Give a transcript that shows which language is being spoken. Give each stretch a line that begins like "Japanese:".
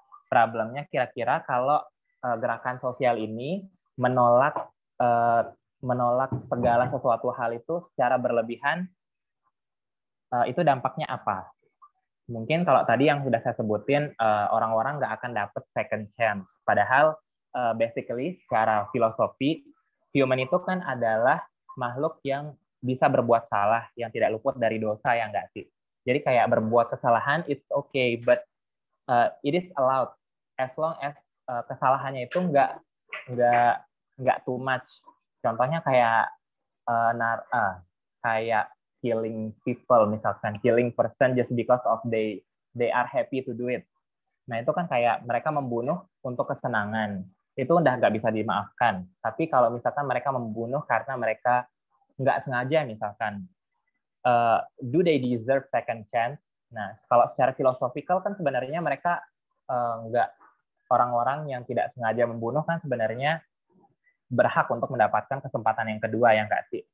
Indonesian: Problemnya kira-kira kalau gerakan sosial ini menolak segala sesuatu hal itu secara berlebihan, itu dampaknya apa? Mungkin kalau tadi yang sudah saya sebutin, orang-orang nggak akan dapat second chance. Padahal,
English: basically,
Indonesian: secara filosofi, human itu kan adalah makhluk yang bisa berbuat salah, yang tidak luput dari dosa, yang nggak sih? Jadi kayak berbuat kesalahan,
English: it's okay, but it is allowed as long as
Indonesian: kesalahannya itu nggak
English: too much.
Indonesian: Contohnya kayak kayak
English: killing people
Indonesian: misalkan,
English: killing person just because of they are happy to do it.
Indonesian: Nah itu kan kayak mereka membunuh untuk kesenangan, itu udah nggak bisa dimaafkan. Tapi kalau misalkan mereka membunuh karena mereka nggak sengaja misalkan,
English: do they deserve second chance?
Indonesian: Nah, kalau secara filosofikal kan sebenarnya mereka nggak, orang-orang yang tidak sengaja membunuh kan sebenarnya berhak untuk mendapatkan kesempatan yang kedua, yang nggak sih?